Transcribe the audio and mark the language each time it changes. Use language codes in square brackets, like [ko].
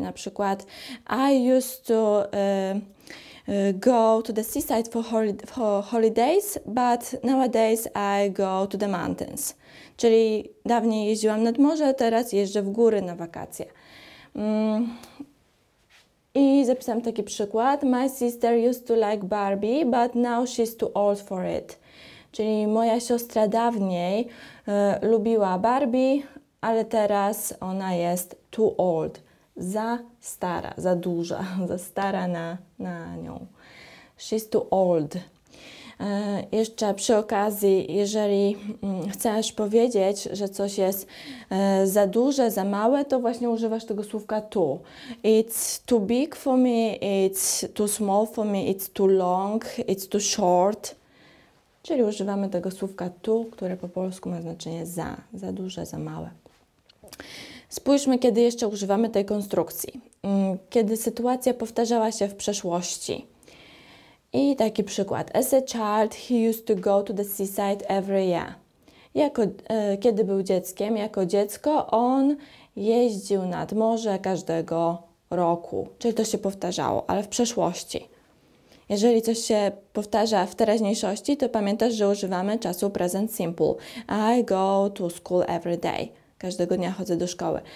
[pl] Na przykład, [en] I used to go to the seaside for holidays, but nowadays I go to the mountains. [pl] Czyli dawniej jeździłam nad morze, teraz jeżdżę w góry na wakacje. I zapisałam taki przykład. [en] My sister used to like Barbie, but now she's too old for it. [pl] Czyli moja siostra dawniej lubiła Barbie, ale teraz ona jest [en] too old. [pl] Za stara, za duża, za stara na nią. [en] She's too old. [pl] Jeszcze przy okazji, jeżeli chcesz powiedzieć, że coś jest za duże, za małe, to właśnie używasz tego słówka too. [en] It's too big for me, it's too small for me, it's too long, it's too short. [pl] Czyli używamy tego słówka too, które po polsku ma znaczenie za duże, za małe. Spójrzmy, kiedy jeszcze używamy tej konstrukcji. Kiedy sytuacja powtarzała się w przeszłości. I taki przykład. [en] As a child, he used to go to the seaside every year. [pl] Kiedy był dzieckiem, jako dziecko, on jeździł nad morze każdego roku. Czyli to się powtarzało, ale w przeszłości. Jeżeli coś się powtarza w teraźniejszości, to pamiętasz, że używamy czasu present simple. [en] I go to school every day. [pl] Każdego dnia chodzę do szkoły.